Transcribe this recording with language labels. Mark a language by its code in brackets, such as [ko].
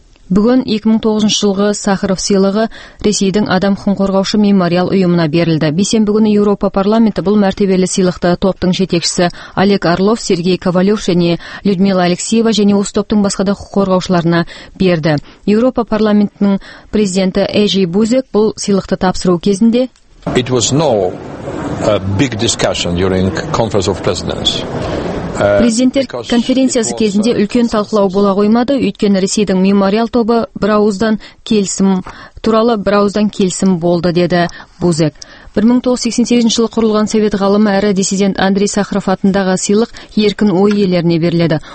[kk] Бүгін 2009 жылғы Сахаров сыйлығы Ресейдің адам құқығын қорғаушы мемориал ұйымына берілді. Бейсенбі күні Еуропа парламенті бұл мәртебелі сыйлықты топтың жетекшісі Олег Орлов, Сергей Ковалев және Людмила Алексеева және осы топтың басқа да құқық қорғаушыларына берді. Еуропа парламентінің президенті Эжи Бузек бұл сыйлықты тапсыру кезінде [en] It was no a big discussion during conference of presidents. [kk] Президенттер конференциясы кезінде үлкен талқылау бола қоймады, өйткені Ресейдің мемориал тобы бірауыздан келісім болды, деді Бузек. 1988 жылы құрылған совет ғалымы әрі диссидент Андрей Сахаров атындағы сыйлық еркін ой иелеріне беріледі.